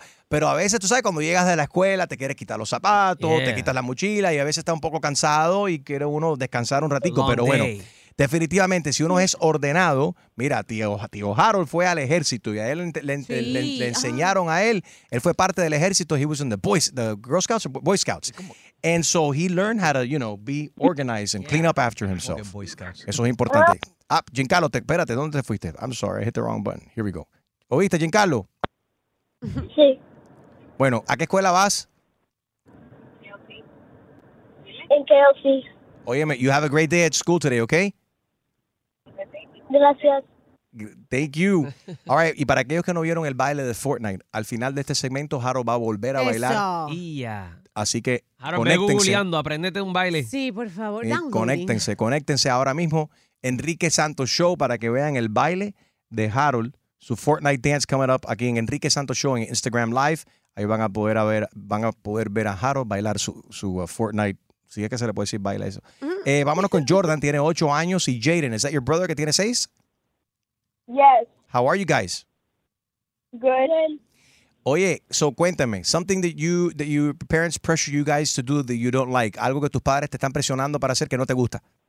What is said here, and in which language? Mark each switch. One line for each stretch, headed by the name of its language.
Spanish: Pero a veces, tú sabes, cuando llegas de la escuela, te quieres quitar los zapatos, te quitas la mochila y a veces estás un poco cansado y quiere uno descansar un ratito. Pero bueno. Definitivamente, si uno es ordenado, mira, tío Harold fue al ejército y a él le enseñaron a él. Él fue parte del ejército.
English: He was in the Girl Scouts or Boy Scouts. And so he learned how to, you know, be organized and clean up after himself.
Spanish: Eso es importante. Ah, Giancarlo, espérate, ¿dónde te fuiste?
English: I'm sorry, I hit the wrong button. Here we go.
Spanish: ¿Oíste, Giancarlo? Sí. Bueno, ¿a qué escuela vas? En KLC.
English: Óyeme, you have a great day at school today, okay?
Spanish: Gracias.
English: Thank you. All right,
Spanish: y para aquellos que no vieron el baile de Fortnite, al final de este segmento, Harold va a volver a bailar. Así que, Harold, conéctense. Harold, ve googleando, aprendete un baile. Sí, por favor. Conéctense ahora mismo. Enrique Santos Show, para que vean el baile de Harold. Su Fortnite
English: dance coming up
Spanish: aquí en Enrique Santos Show en Instagram Live. Ahí van a poder ver a Harold bailar su Fortnite. Sí, es que se le puede decir baila eso. Mm-hmm. Vámonos con Jordan, tiene 8 años. Y Jaden, ¿es
English: that your brother
Spanish: que tiene 6?
English: Yes. How are you guys? Good. Oye, so cuéntame, something that your parents pressure you guys to do that you don't like.
Spanish: Algo que tus padres te están presionando para hacer que no te gusta.